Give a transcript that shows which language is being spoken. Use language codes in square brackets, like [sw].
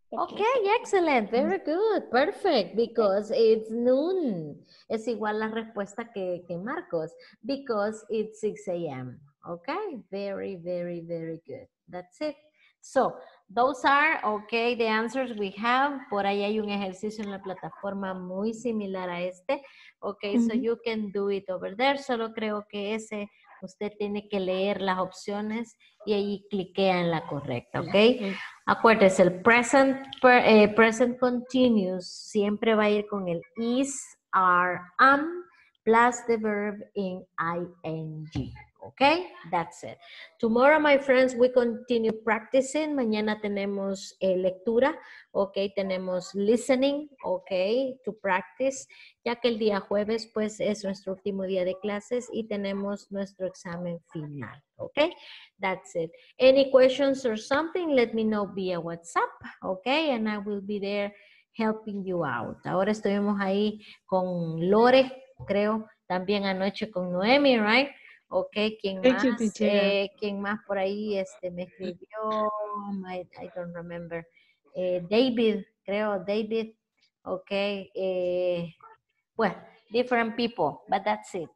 [en] Okay, excellent, very good, perfect, because it's noon. [es] Es igual la respuesta que Marcos, [en] because it's 6 a.m. Okay, very, very, very good. That's it. So, those are, okay, the answers we have. [es] Por ahí hay un ejercicio en la plataforma muy similar a este. [en] Okay, so you can do it over there. [es] Solo creo que ese, usted tiene que leer las opciones y ahí cliquea en la correcta, okay? Acuérdese, el present continuous siempre va a ir con el [en] is, are, am, plus the verb in ing. Okay, that's it. Tomorrow, my friends, we continue practicing. [es] Mañana tenemos lectura. Okay, tenemos listening. [en] Okay, to practice. [es] Ya que el día jueves, pues, es nuestro último día de clases y tenemos nuestro examen final. [en] Okay, that's it. Any questions or something, let me know via WhatsApp. Okay, and I will be there helping you out. [es] Ahora estuvimos ahí con Lore, creo, también anoche con Noemi, right? Okay, ¿quién más? ¿Quién más por ahí me escribió? [en] I don't remember. David, creo, David. Okay. Well, different people, but that's it.